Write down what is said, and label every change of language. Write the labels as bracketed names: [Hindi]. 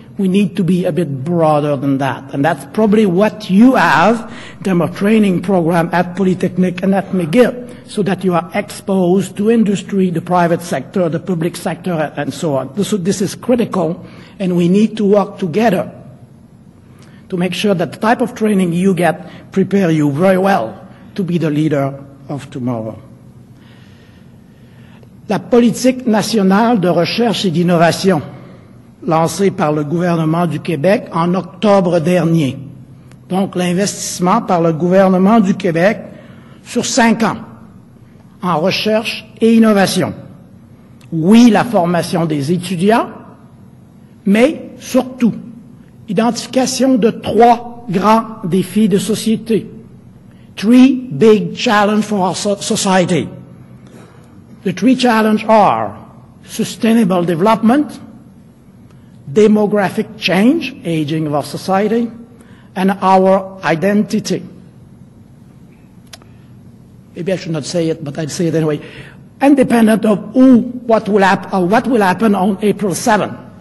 [English] We need to be a bit broader than that. And that's probably what you have in terms of training program at Polytechnique and at McGill, so that you are exposed to industry, the private sector, the public sector, and so on. So this is critical, and we need to work together to make sure that the type of training you get prepare you very well to be the leader of tomorrow. [French] La politique nationale de recherche et d'innovation, lancée par le gouvernement du Québec en octobre dernier. Donc, l'investissement par le gouvernement du Québec sur 5 ans en recherche et innovation. Oui, la formation des étudiants, mais surtout, identification de 3 grands défis de société. [English] 3 big challenges for our society. The 3 challenges are sustainable development, demographic change, aging of our society, and our identity. Maybe I should not say it, but I'd say it anyway. Independent of who, what will happen on April 7th.